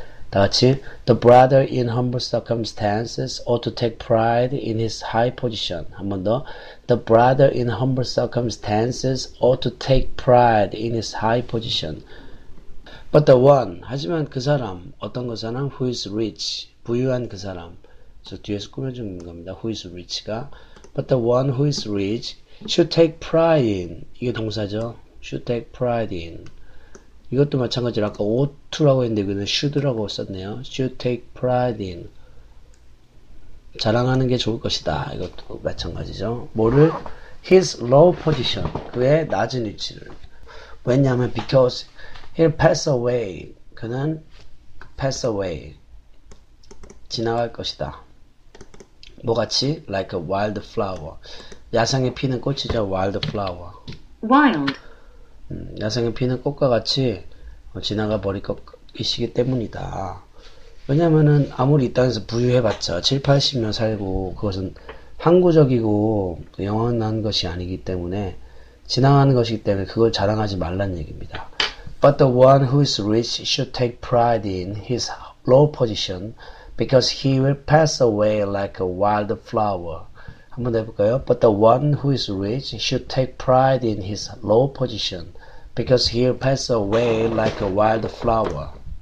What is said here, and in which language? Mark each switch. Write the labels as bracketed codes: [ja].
[ko] 다 같이. [en] The brother in humble circumstances ought to take pride in his high position. [ko] 한 번 더. [en] The brother in humble circumstances ought to take pride in his high position. But the one, [ko] 하지만 그 사람, 어떤 그 사람? [en] Who is rich, [ko] 부유한 그 사람. 저 뒤에서 꾸며주는 겁니다. [en] Who is rich가. But the one who is rich should take pride in. [ko] 이게 동사죠. [en] Should take pride in. [ko] 이것도 마찬가지로 아까 ought to라고 했는데 이거는 should라고 썼네요. [en] Should take pride in. [ko] 자랑하는 게 좋을 것이다. 이것도 마찬가지죠. 뭐를? [en] His low position. [ko] 그의 낮은 위치를. 왜냐하면 [en] because he'll pass away. [ko] 그는 [en] pass away. [ko] 지나갈 것이다. 뭐같이? [en] Like a wild flower. [ko] 야생에 피는 꽃이죠. [en] Wild flower. Wild. [ko] 야생에 피는 꽃과 같이 지나가 버릴 것이기 때문이다. 왜냐면은 아무리 이 땅에서 부유해봤자 7, 80년 살고 그것은 항구적이고 영원한 것이 아니기 때문에 지나가는 것이기 때문에 그걸 자랑하지 말란 얘기입니다. [en] But the one who is rich should take pride in his low position because he will pass away like a wild flower. [ko] 한번 해볼까요? [en] But the one who is rich should take pride in his low position because he'll pass away like a wild flower.